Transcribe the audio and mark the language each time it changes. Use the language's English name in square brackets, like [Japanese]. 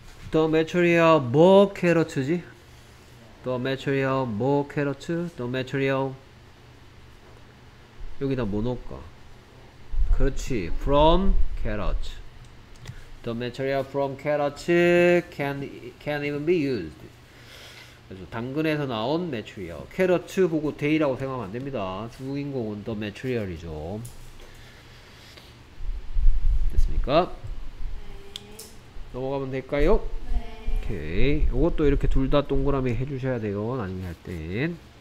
[Korean] 더 매트리얼 뭐 캐러츠지? 더 매트리얼 뭐 캐러츠? 더 매트리얼 여기다 뭐 넣을까? 그렇지. from 캐러츠. [English] the material from 캐러츠 can even be used. [Korean] 그래서 당근에서 나온 매트리얼. 캐러츠 보고 데이라고 생각하면 안 됩니다. 주인공은 더 매트리얼이죠. 됐습니까? 넘어가면 될까요? 오케이. 이것도 이렇게 둘 다 동그라미 해주셔야 돼요. 나중에 할 땐.